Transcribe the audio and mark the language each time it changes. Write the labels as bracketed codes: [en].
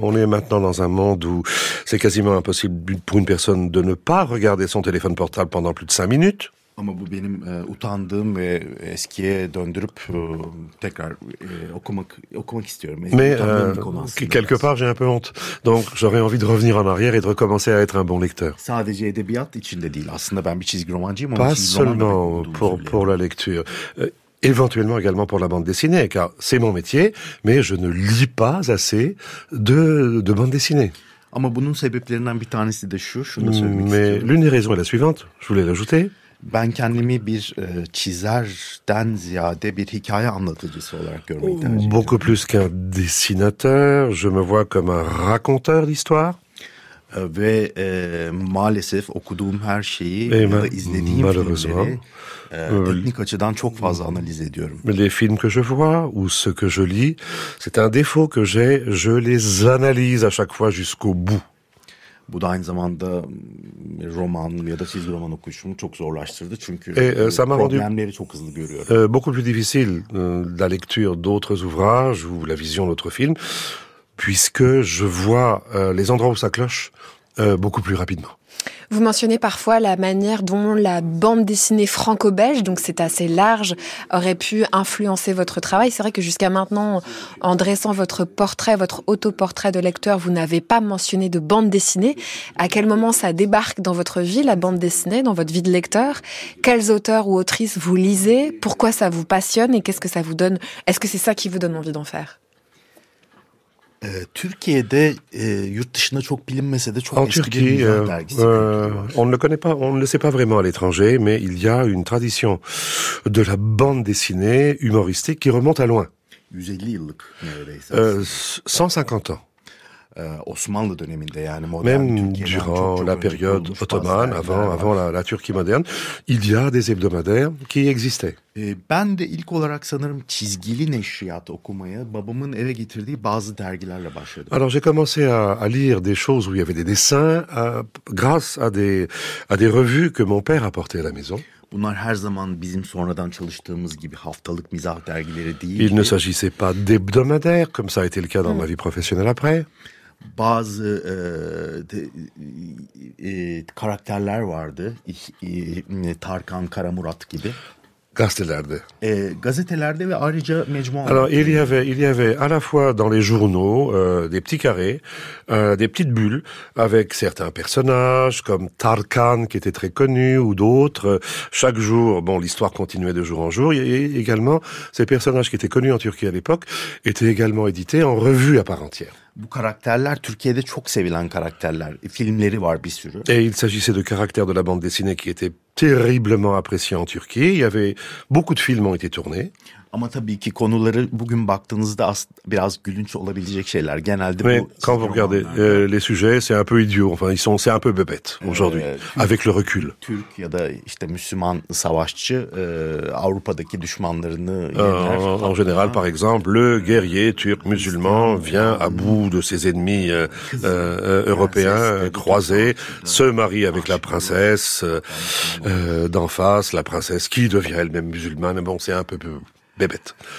[fr] On est maintenant dans un monde où c'est quasiment impossible pour une personne de ne pas regarder son téléphone portable pendant plus de 5 minutes. [tr] Ama bu benim utandığım ve eskiye döndürüp tekrar okumak istiyorum. [fr] Mais quelque part j'ai un peu honte. Donc j'aurais envie de revenir en arrière et de recommencer à être un bon lecteur. [tr] Sadece edebiyat içinde değil. Aslında ben bir çizgi romancıyım. [fr] Pas seulement pour la lecture. Éventuellement également pour la bande dessinée, car c'est mon métier, mais je ne lis pas assez de bande dessinée. [tr] Ama bunun sebeplerinden bir tanesi de şu, şunu söylemek istiyorum. [fr] Mais l'une des raisons est la suivante, je voulais l'ajouter. [tr] Ben kendimi bir çizerden ziyade bir hikaye anlatıcısı olarak görmeyi tercih ediyorum. [fr] Beaucoup plus qu'un dessinateur, je me vois comme un raconteur d'histoire. [tr] Ve maalesef okuduğum her şeyi ya da izlediğim filmleri etnik açıdan çok fazla analiz ediyorum. [fr] Les films que je vois ou ce que je lis, c'est un défaut que j'ai, je les analyse à chaque fois jusqu'au bout. [tr] Bu da aynı zamanda roman ya da çizgi roman okuyuşumu çok zorlaştırdı çünkü problemleri çok hızlı görüyorum. [fr] Beaucoup plus difficile la lecture d'autres ouvrages ou la vision d'autres films puisque je vois les endroits où ça cloche beaucoup plus rapidement. Vous mentionnez parfois la manière dont la bande dessinée franco-belge, donc c'est assez large, aurait pu influencer votre travail. C'est vrai que jusqu'à maintenant, en dressant votre portrait, votre autoportrait de lecteur, vous n'avez pas mentionné de bande dessinée. À quel moment ça débarque dans votre vie, la bande dessinée, dans votre vie de lecteur? Quels auteurs ou autrices vous lisez? Pourquoi ça vous passionne et qu'est-ce que ça vous donne? Est-ce que c'est ça qui vous donne envie d'en faire? [tr] Türkiye'de yurt dışında çok bilinmese de çok [fr] en Turquie, [tr] eski bir dergisi. [fr] On ne le connaît pas, on ne le sait pas vraiment à l'étranger, mais il y a une tradition de la bande dessinée humoristique qui remonte à loin. [tr] 150 yıllık neredeyse. [fr] 150 ans. [tr] Osmanlı döneminde yani modern [fr] même [tr] Türkiye'den [fr] durant [tr] çok [fr] la période ottomane avant la Turquie moderne il y a des hebdomadaires qui existaient. [tr] Ben de ilk olarak sanırım çizgili neşriyat okumaya babamın eve getirdiği bazı dergilerle başladım. [fr] Alors j'ai commencé à lire des choses où il y avait des dessins grâce à des revues que mon père apportait à la maison. [tr] Bunlar her zaman bizim sonradan çalıştığımız gibi haftalık mizah dergileri değil. [fr] Il ne s'agissait pas d'hebdomadaires comme ça a été le cas dans ma vie professionnelle après. [tr] Bazı karakterler vardı. Tarkan, Karamurat gibi. Gazetelerde. Gazetelerde ve ayrıca mecmua. [fr] Alors il y avait à la fois dans les journaux des petits carrés, des petites bulles avec certains personnages comme Tarkan qui était très connu ou d'autres. Chaque jour, bon, l'histoire continuait de jour en jour. Et également, ces personnages qui étaient connus en Turquie à l'époque étaient également édités en revue à part entière. [tr] Bu karakterler Türkiye'de çok sevilen karakterler. Filmleri var bir sürü. [fr] Et il s'agissait de caractères de la bande dessinée qui étaient terriblement appréciés en Turquie. Il y avait beaucoup de films ont été tournés. [tr] Ama tabii ki konuları bugün baktığınızda biraz gülünç olabilecek şeyler. Genelde [fr] mais [tr] bu [fr] quand vous regardez les sujets, c'est un peu idiot. Enfin, ils sont c'est un peu bébête aujourd'hui avec le recul. [tr] Türk ya da işte Müslüman savaşçı Avrupa'daki düşmanlarını yener. [fr] En général, par exemple, le guerrier Türk musulman vient à bout de ses ennemis européens croisés, se marie avec la princesse d'en face, la princesse qui devient elle-même musulmane. Mais bon, c'est un peu bebet.